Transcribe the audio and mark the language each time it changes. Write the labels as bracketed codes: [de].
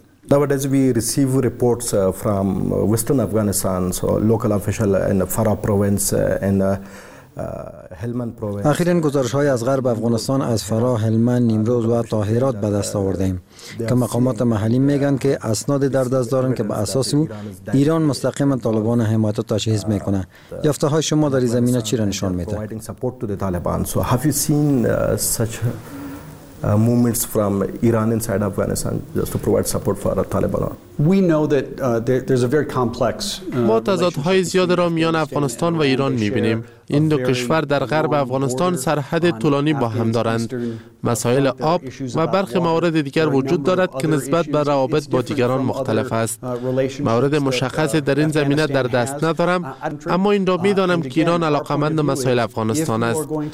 [en] Nowadays we receive reports from Western Afghanistan, so local official in Farah province and Helmand province. [fa] اخیراً گزارش‌های از غرب افغانستان از فرا، هلمند، نیمروز و تا هرات به دست آوردیم که مقامات محلی میگن که اسناد در دست دارن که به اساس او ایران مستقیما طالبان حمایت و تجهیز میکنه. یافته های شما در این زمینه چی را نشان میده؟ [en] So have you seen such movements from Iran inside Afghanistan just to provide support for the Taliban? We know that there's a very complex [fa] ما تضادهای زیاد را میان افغانستان و ایران میبینیم. این دو کشور در غرب افغانستان سرحد طولانی با هم دارند. مسائل آب و برخی موارد دیگر وجود دارد که نسبت به روابط با دیگران مختلف است. موارد مشخصی در این زمینه در دست ندارم، اما این را میدانم که ایران علاقمند مسائل افغانستان است.